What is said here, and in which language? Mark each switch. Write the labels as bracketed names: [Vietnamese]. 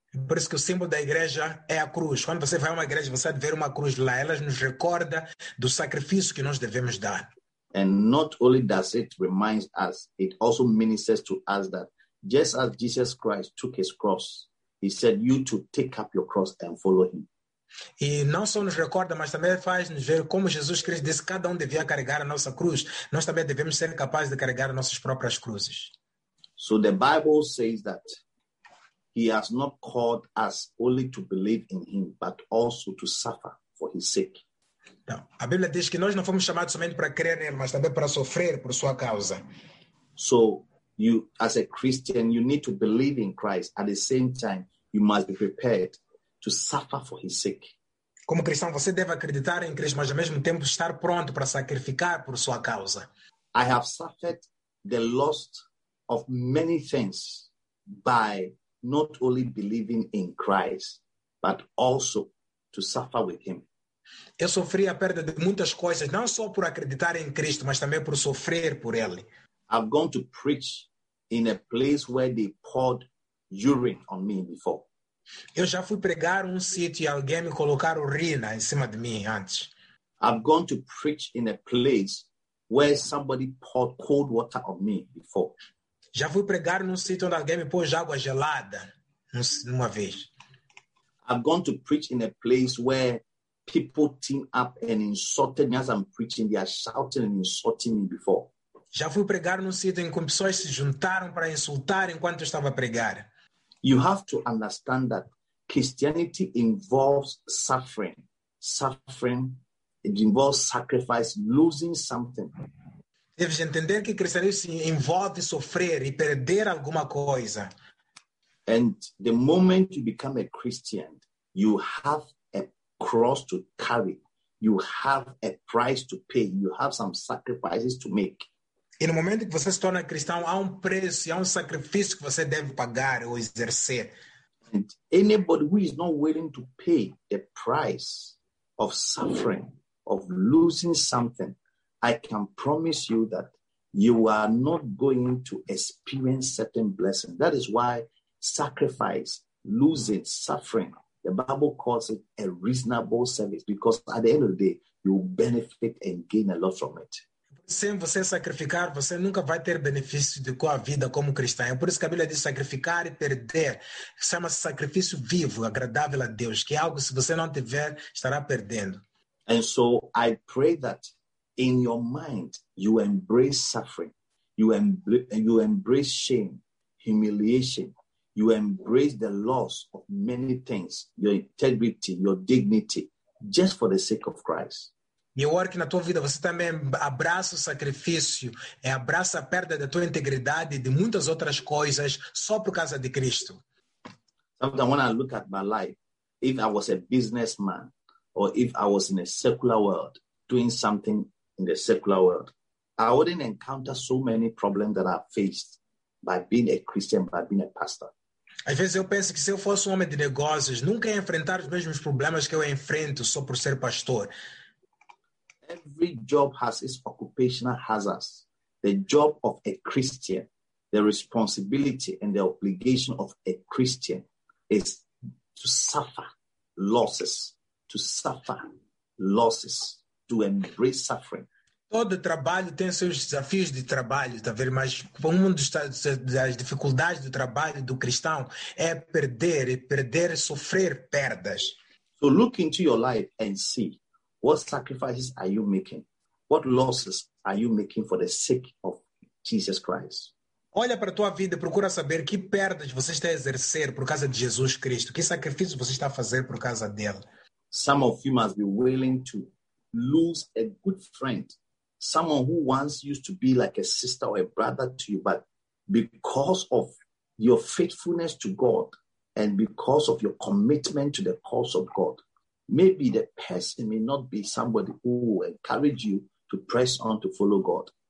[Portuguese] Por isso que o símbolo da igreja é a cruz. Quando você vai a uma igreja, você deve ver uma cruz lá. Ela nos recorda do sacrifício que nós devemos dar. [English] And not only does it remind us, it also ministers to us that just as Jesus Christ took his cross, he said you to take up your cross and follow him. [Portuguese] E não só nos recorda, mas também faz nos ver como Jesus Cristo disse que cada um devia carregar a nossa cruz. Nós também devemos ser capazes de carregar nossas próprias cruzes. [English] So the Bible says that he has not called us only to believe in him, but also to suffer for his sake. [Portuguese] Então, a Bíblia diz que nós não fomos chamados somente para crer nele, mas também para sofrer por sua causa. [English] So, you, as a Christian, you need to believe in Christ. At the same time, you must be prepared to suffer for his sake. [Portuguese] Como cristão, você deve acreditar em Cristo, mas ao mesmo tempo estar pronto para sacrificar por sua causa. [English] I have suffered the loss of many things by not only believing in Christ, but also to suffer with him. [Portuguese] Eu sofri a perda de muitas coisas, não só por acreditar em Cristo, mas também por sofrer por ele. [English] I've gone to preach in a place where they poured urine on me before. [Portuguese] Eu já fui pregar um sítio e alguém me colocar urina em cima de mim antes. [English] I've gone to preach in a place where somebody poured cold water on me before. [Portuguese] Já fui pregar num sítio onde alguém me pôs água gelada uma vez. [English] I've gone to preach in a place where people team up and insulted me as I'm preaching. They are shouting and insulting me before. [Portuguese] Já fui pregar num sítio em que pessoas se juntaram para insultar enquanto eu estava a pregar. [English] You have to understand that Christianity involves suffering. Suffering, it involves sacrifice, losing something. [Portuguese] Deves entender que cristianismo envolve sofrer e perder alguma coisa. [English] And the moment you become a Christian, you have a cross to carry. You have a price to pay. You have some sacrifices to make. [Portuguese] E no momento que você se torna cristão, há um preço e há um sacrifício que você deve pagar ou exercer. [English] And anybody who is not willing to pay the price of suffering, of losing something, I can promise you that you are not going to experience certain blessings. That is why sacrifice, losing, suffering, the Bible calls it a reasonable service, because at the end of the day, you benefit and gain a lot from it. [Portuguese] Sem você sacrificar, você nunca vai ter benefício de com a vida como cristão. É por isso que a Bíblia diz sacrificar e perder. Chama-se sacrifício vivo, agradável a Deus, que é algo, se você não tiver, estará perdendo. [English] And so I pray that in your mind, you embrace suffering, you embrace shame, humiliation, you embrace the loss of many things, your integrity, your dignity, just for the sake of Christ. [Portuguese] E eu oro que na tua vida você também abraça o sacrifício, abraça a perda da tua integridade e de muitas outras coisas só por causa de Cristo. [English] Sometimes when I look at my life, if I was a businessman or if I was in a secular world doing something in the secular world, I wouldn't encounter so many problems that I faced by being a Christian, by being a pastor. [Portuguese] Às vezes eu penso que se eu fosse um homem de negócios, nunca ia enfrentar os mesmos problemas que eu enfrento só por ser pastor. [English] Every job has its occupational hazards. The job of a Christian, the responsibility and the obligation of a Christian is to suffer losses, to suffer losses, to embrace suffering. [Portuguese] Todo trabalho tem seus desafios de trabalho, tá vendo? Mas uma das dificuldades do trabalho do cristão é perder, e perder, sofrer perdas. [English] So look into your life and see, what sacrifices are you making? What losses are you making for the sake of Jesus Christ? [Portuguese] Olha para tua vida e procura saber que perdas você está a exercer por causa de Jesus Cristo. Que sacrifício você está a fazer por causa dele? [English] Some of you must be willing to lose a good friend, someone who once used to be like a sister or a brother to you, but because of your faithfulness to God and because of your commitment to the cause of God, maybe the person may not be somebody who will encourage you to press on to follow God.